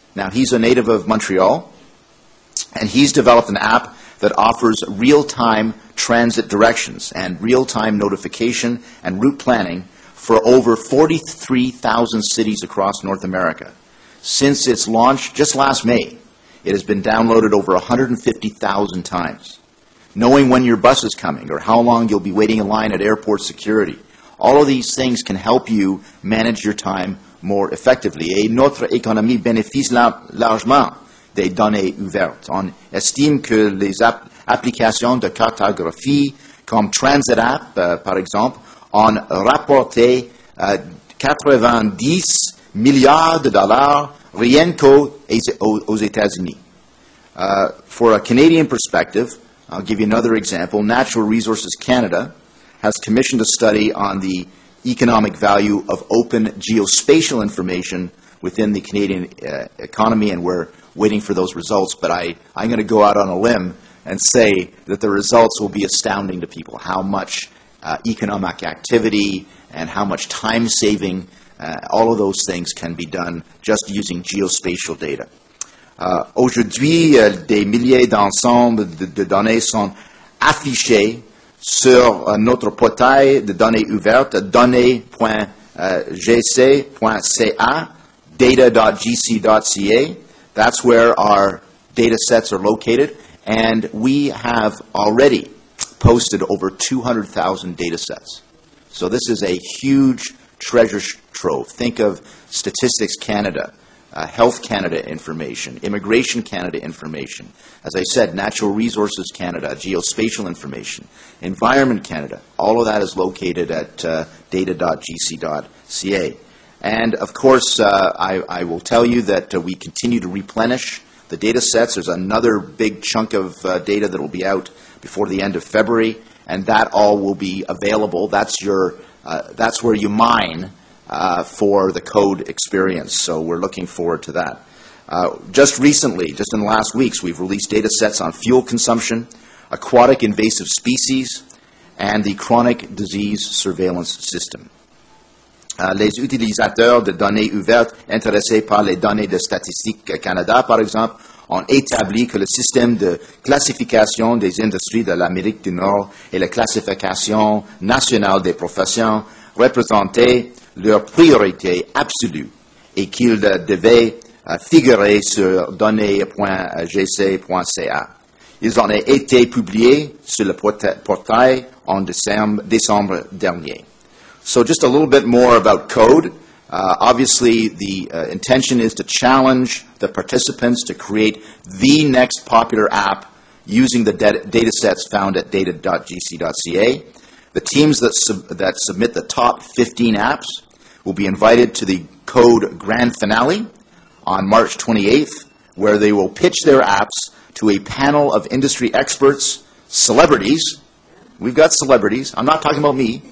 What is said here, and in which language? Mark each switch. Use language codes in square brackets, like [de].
[en] Now, he's a native of Montreal, and he's developed an app that offers real-time transit directions and real-time notification and route planning for over 43,000 cities across North America. Since its launch just last May, it has been downloaded over 150,000 times. Knowing when your bus is coming or how long you'll be waiting in line at airport security, all of these things can help you manage your time more effectively. [fr] Et notre économie bénéficie largement des données ouvertes. On estime que les applications de cartographie comme Transit App, par exemple, ont rapporté 90 milliards de dollars rien qu'aux États-Unis. [en] For a Canadian perspective, I'll give you another example. Natural Resources Canada has commissioned a study on the economic value of open geospatial information within the Canadian economy, and we're waiting for those results. But I'm going to go out on a limb and say that the results will be astounding to people, how much economic activity and how much time saving, all of those things can be done just using geospatial data. [fr] Aujourd'hui, des milliers d'ensembles de données sont affichés sur notre portail de données ouvertes, données.gc.ca, data.gc.ca. [en] That's where our data sets are located. And we have already posted over 200,000 data sets. So this is a huge treasure trove. Think of Statistics Canada, Health Canada information, Immigration Canada information, as I said, Natural Resources Canada, Geospatial information, Environment Canada, all of that is located at data.gc.ca. And, of course, I will tell you that we continue to replenish the data sets. There's another big chunk of data that will be out before the end of February, and that all will be available. That's your, that's where you mine for the code experience, so we're looking forward to that. Just recently, just in the last weeks, we've released data sets on fuel consumption, aquatic invasive species, and the chronic disease surveillance system. [fr] Les utilisateurs de données ouvertes intéressés par les données de Statistique Canada, par exemple, ont établi que le système de classification des industries de l'Amérique du Nord et la classification nationale des professions représentaient leur priorité absolue et qu'ils devaient figurer sur données.gc.ca. Ils en ont été publiés sur le portail en décembre dernier. [en] So just a little bit more about code. Obviously, the intention is to challenge the participants to create the next popular app using the data sets found at data.gc.ca. The teams that submit the top 15 apps will be invited to the code grand finale on March 28th, where they will pitch their apps to a panel of industry experts, celebrities. We've got celebrities. I'm not talking about me.